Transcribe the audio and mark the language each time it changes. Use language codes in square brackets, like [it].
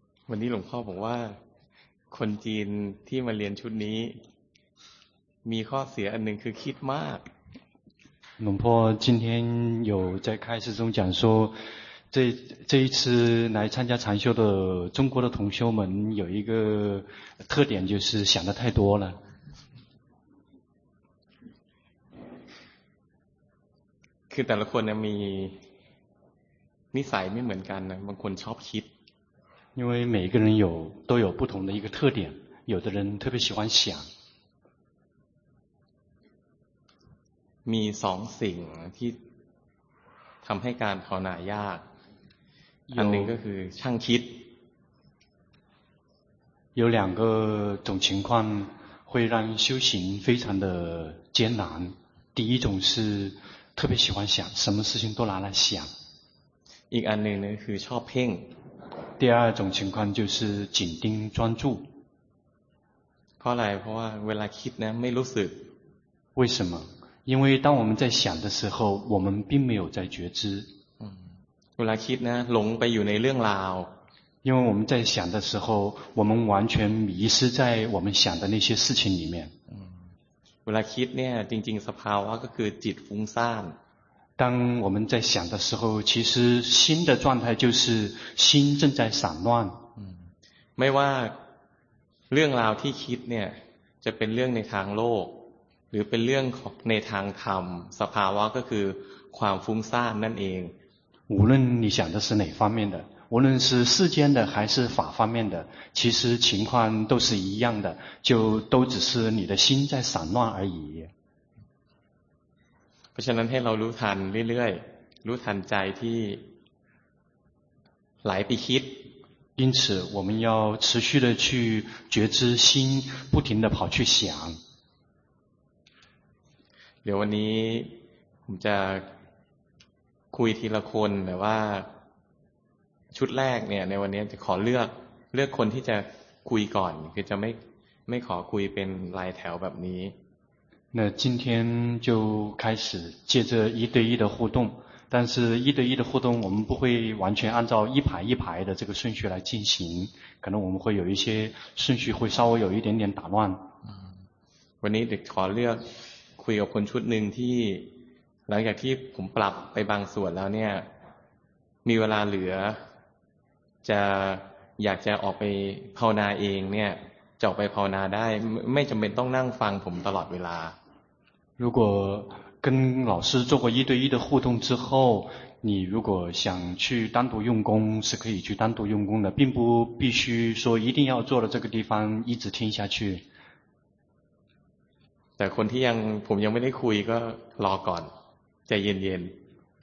[th] วันนี้หลวงพ่อบอกว่าคนจีนที่มาเรียนชุดนี้มีข้อเสียอันหนึ่งคือคิดมาก [zh] 龙婆今天有在开始中讲说这一次来参加禅修的中国的同修们有一个特点就是想的太多了 [th] คือแต่ละคนเนี่ยมีนิสัยไม่เหมือนกันนะบางคนชอบคิด [zh] 因为每个人都有不同的一个特点有的人特别喜欢想 [th] มีสองสิ่งที่ทำให้การภาวนายากอันหนึ่งก็คือช่างคิด [zh] 有两个种情况会让修行非常的艰难第一种是特别喜欢想什么事情都拿来想 [th] อีกอันหนึ่งนะคือชอบเพ่ง [zh] 第二种情况就是紧盯专注 [th] เพราะอะไรเพราะว่าเวลาคิดนะไม่รู้สึก [zh] 为什么因为当我们在想的时候我们并没有在觉知 [th] เวลาคิดนะหลงไปอยู่ในเรื่องราว [zh] 因为我们在想的时候我们完全迷失在我们想的那些事情里面 [th] เวลาคิดเนี่ยจริงๆสภาวะก็คือจิตฟุ้งซ่าน [zh] 当我们在想的时候其实心的状态就是心正在散乱 [th] ไม่ว่าเรื่องราวที่คิดเนี่ยจะเป็นเรื่องในทางโลกหรือเป็นเรื่องในทางธรรมสภาวะก็คือความฟุ้งซ่านนั่นเอง [zh] 无论你想的是哪方面的无论是世间的还是法方面的其实情况都是一样的就都只是你的心在散乱而已 [th] เพราะฉะนั้นให้เรารู้ทันเรื่อยๆรู้ทันใจที่ไหลไปคิด [zh] 因此我们要持续的去觉知心不停的跑去想 [th] เดี๋ยววันนี้ผมจะคุยทีละคนแต่ว่าชุดแรกเนี่ยในวันนี้จะขอเลือกคนที่จะคุยก่อนคือจะไม่ขอคุยเป็นรายแถวแบบนี้ [zh] 那今天就开始借着一对一的互动但是一对一的互动我们不会完全按照一排一排的这个顺序来进行可能我们会有一些顺序会稍微有一点点打乱 [th] วันนี้จะขอเลือกคุยกับคนชุดหนึ่งที่หลังจากที่ผมปรับไปบางส่วนแล้วเนี่ยมีเวลาเหลือจะอยากจะออกไปภาวนาเองเนี่ยจะออกไปภาวนาได้ไม่จำเป็นต้องนั่งฟังผมตลอดเวลา [zh] 如果跟老师做过一对一的互动之后你如果想去单独用功是可以去单独用功的并不必须说一定要坐到这个地方一直听下去 [th] แต่คนที่ยังผมยังไม่ได้คุยก็รอก่อนใจเย็นๆ